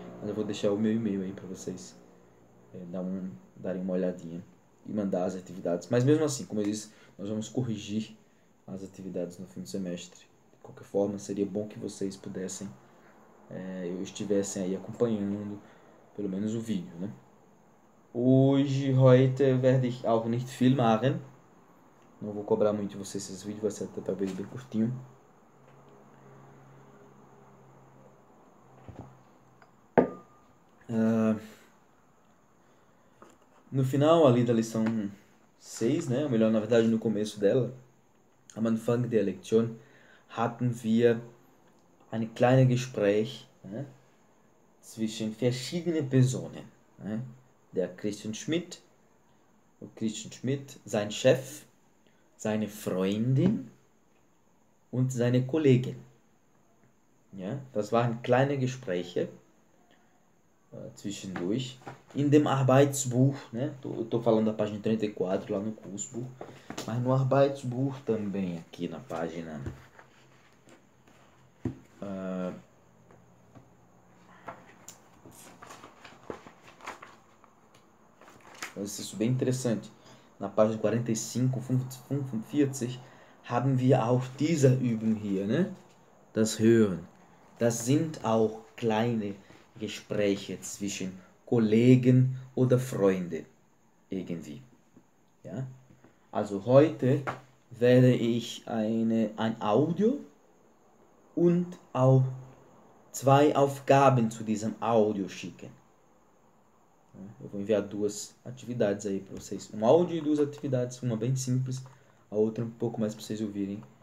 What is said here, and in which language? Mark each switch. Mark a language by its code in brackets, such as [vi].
[pt] Mas eu vou deixar o meu e-mail aí pra vocês darem uma olhadinha. E mandar as atividades, mas mesmo assim, como eu disse, nós vamos corrigir as atividades no fim do semestre. De qualquer forma, seria bom que vocês pudessem, eu estivessem aí acompanhando pelo menos o vídeo, né? [de] Hoje, heute, werde ich auch nicht viel machen. [pt] Não vou cobrar muito de vocês esses vídeos, vai ser até talvez bem curtinho. No final ali da lição 6, né? Ou melhor, na verdade, no começo dela, [de] am Anfang der Lektion, hatten wir ein kleines Gespräch, [pt] né? [de] Zwischen verschiedenen Personen, né? Der Christian Schmidt, o Christian Schmidt, sein Chef, seine Freundin und seine Kollegin. Ja? Das waren kleine Gespräche. Zwischendurch, in dem Arbeitsbuch, né? [pt] Eu tô falando da página 34 lá no Kursbuch, mas no Arbeitsbuch também, aqui na página. Eu acho isso bem interessante. Na página 45, 45, [de] haben wir auch diese Übung hier, né? Das Hören. Das sind auch kleine Gespräche zwischen Kollegen oder Freunde irgendwie. Ja? Also heute werde ich ein Audio und auch zwei Aufgaben zu diesem Audio schicken. [pt] Eu vou enviar duas atividades aí para vocês. Um áudio e duas atividades, uma bem simples, a outra um pouco mais para vocês ouvirem.